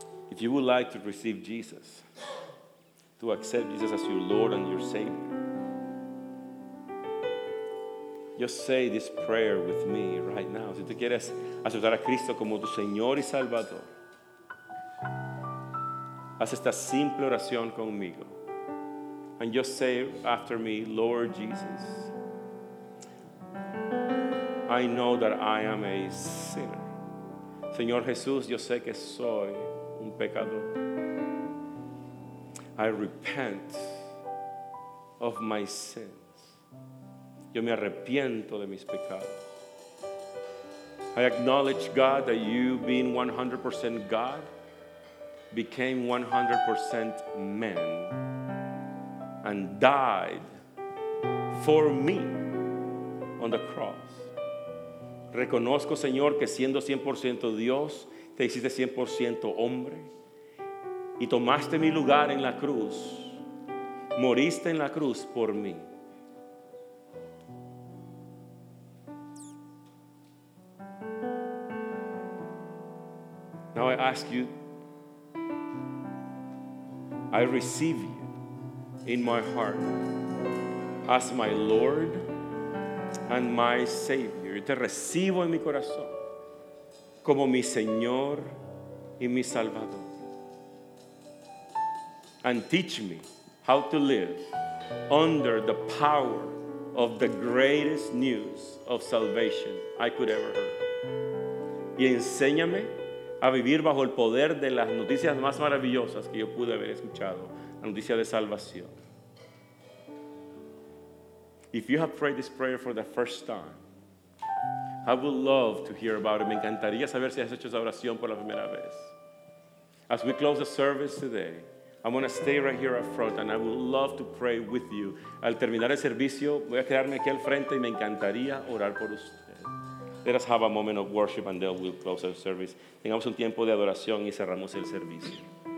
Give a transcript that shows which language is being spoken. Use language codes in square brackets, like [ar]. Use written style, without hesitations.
[en] If you would like to receive Jesus, to accept Jesus as your Lord and your Savior, just say this prayer with me right now. [es] Si tú quieres aceptar a Cristo como tu Señor y Salvador, haz esta simple oración conmigo. [en] And just say after me, Lord Jesus, I know that I am a sinner. [es] Señor Jesús, yo sé que soy un pecador. [en] I repent of my sins. [es] Yo me arrepiento de mis pecados. [en] I acknowledge, God, that you, being 100% God, became 100% man and died for me on the cross. [es] Reconozco, Señor, que siendo 100% Dios, te hiciste 100% hombre. Y tomaste mi lugar en la cruz. Moriste en la cruz por mí. [en] Now I ask you, I receive you in my heart as my Lord and my Savior. [es] Yo te recibo en mi corazón como mi Señor y mi Salvador. [en] And teach me how to live under the power of the greatest news of salvation I could ever hear. [es] Y enséñame a vivir bajo el poder de las noticias más maravillosas que yo pude haber escuchado, la noticia de salvación. [en] If you have prayed this prayer for the first time, I would love to hear about it. [es] Me encantaría saber si has hecho esa oración por la primera vez. [en] As we close the service today, I'm going to stay right here up front and I would love to pray with you. [es] Al terminar el servicio, voy a quedarme aquí al frente y me encantaría orar por usted. [en] Let us have a moment of worship and then we'll close our service. [es] Tengamos un tiempo de adoración y cerramos el servicio.